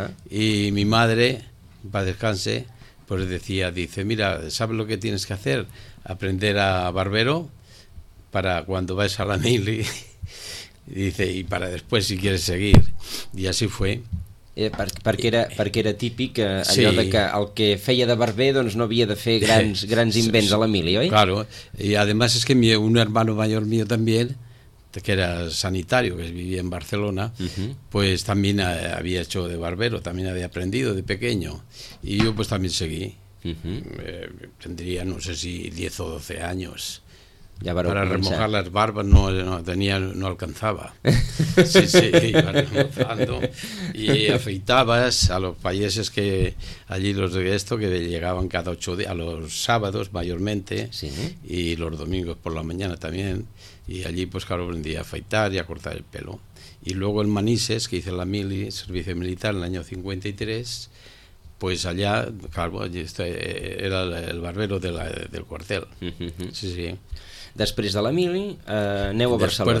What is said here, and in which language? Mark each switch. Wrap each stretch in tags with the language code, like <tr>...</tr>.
<es>Y mi madre, para descanse, pues decía, dice, mira, ¿sabes lo que tienes que hacer? Aprender a barbero para cuando vayas a la mili, dice, y para después si quieres seguir. Y así fue.</es> <ca>Perquè era típic allò, sí, de que el que feia de barber, doncs, no havia de fer grans invents a la mili, oi?</ca> <es>Claro, y además es que un hermano mayor mío también, que era sanitario, que vivía en Barcelona, pues también había hecho de barbero, también había aprendido de pequeño, y yo pues también seguí. Tendría, no sé si 10 o 12 años. Ya para comenzar. Remojar las barbas no alcanzaba. Sí, sí, iba remojando. Y afeitabas a los payeses que allí, los de esto, que llegaban cada 8 días, a los sábados mayormente, sí, y los domingos por la mañana también. Y allí, pues claro, aprendía a afeitar y a cortar el pelo. Y luego en Manises, que hice la mili, servicio militar, en el año 53, pues allá, claro, allí era el barbero de del cuartel. Sí, sí.</es> <ca>Després de la mili, aneu a Barcelona.</ca>